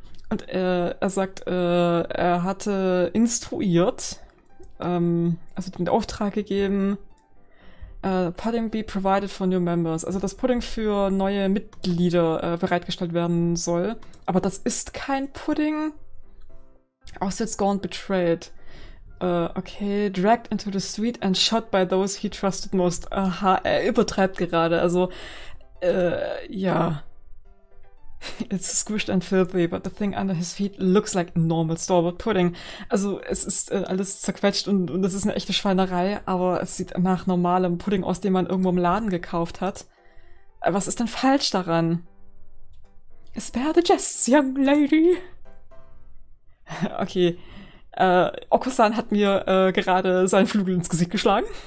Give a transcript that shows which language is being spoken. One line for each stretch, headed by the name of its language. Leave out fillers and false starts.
German: Und er sagt, er hatte instruiert, also den Auftrag gegeben,
English: Pudding be provided for new members.
German: Also, dass Pudding für neue Mitglieder bereitgestellt werden soll. Aber das ist kein Pudding. Also
English: scorned, betrayed. Okay, dragged into the street and shot by those he trusted most.
German: Aha, er übertreibt gerade. Also, ja.
English: It's squished and filthy, but the thing under his feet looks like a normal store-bought pudding.
German: Also, es ist alles zerquetscht und es ist eine echte Schweinerei, aber es sieht nach normalem Pudding aus, den man irgendwo im Laden gekauft hat. Was ist denn falsch daran?
English: Spare the jests, young lady.
German: Okay, Okusan hat mir gerade seinen Flügel ins Gesicht geschlagen.